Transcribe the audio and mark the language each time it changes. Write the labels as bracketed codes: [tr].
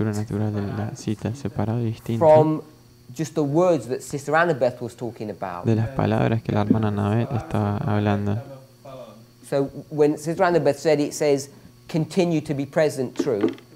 [es] Es una lectura de la cita, separado y distinto. [en] From just the words that Sister Annabeth was talking about. [es] De las palabras que la hermana Annabeth estaba hablando. [en] So when it says around the Bethsaida, it says continue to be present, true.